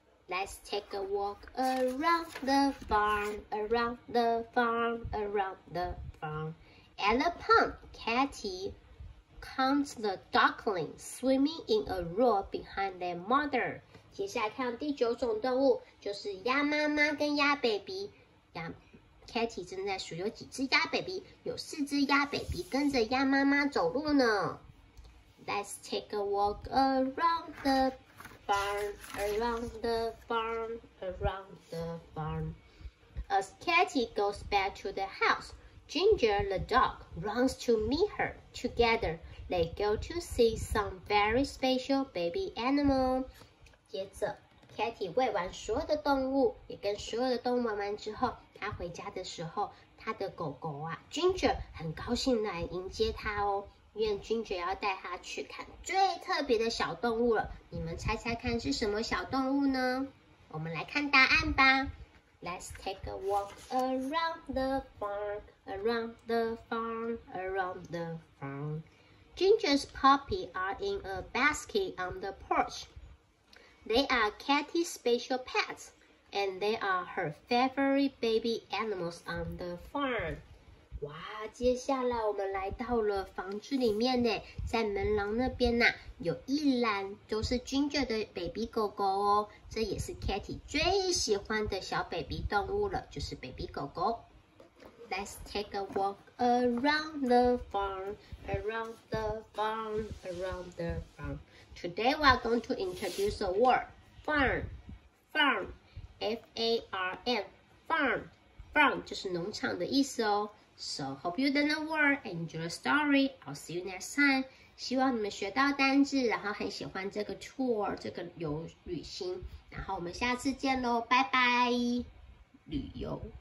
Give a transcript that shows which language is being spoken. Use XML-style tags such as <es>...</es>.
<en>Let's take a walk around the farm, around the farm, around the farm. At the pond, Kitty counts the ducklings swimming in a row behind their mother.</en> <zh>接下来看第九种动物，就是鸭妈妈跟鸭 baby。鸭 Kitty 正在数有几只鸭 baby， 有四只鸭 baby 跟着鸭妈妈走路呢。</zh> <en>Let's take a walk around the farm, around the farm, around the farm. As Kitty goes back to the house, Ginger the dog runs to meet her. Together, they go to see some very special baby animal.</en> <zh>接着 ，Kitty 喂完所有的动物，也跟所有的动物玩完之后，她回家的时候，她的狗狗啊 ，Ginger 很高兴来迎接她哦。因为 Ginger 要带他去看最特别的小动物了，你们猜猜看是什么小动物呢？我们来看答案吧。</zh> <en>Let's take a walk around the farm, around the farm, around the farm. Ginger's puppy are in a basket on the porch. They are Kitty's special pets, and they are her favorite baby animals on the farm.</en> <zh>哇，接下来我们来到了房子里面呢，在门廊那边呢、有一栏都是 Ginger 的 baby 狗狗哦，这也是 Kitty 最喜欢的小 baby 动物了，就是 baby 狗狗。</zh> <en>Let's take a walk around the farm, around the farm, around the farm. Today we are going to introduce a word, farm, farm, F-A-R-M, farm, farm</en> <zh>就是农场的意思哦。</zh> <en>So hope you learn the word, enjoy the story. I'll see you next time.</en> <zh>希望你们学到单字，然后很喜欢这个 tour 这个旅行。然后我们下次见咯，拜拜。旅游。</zh>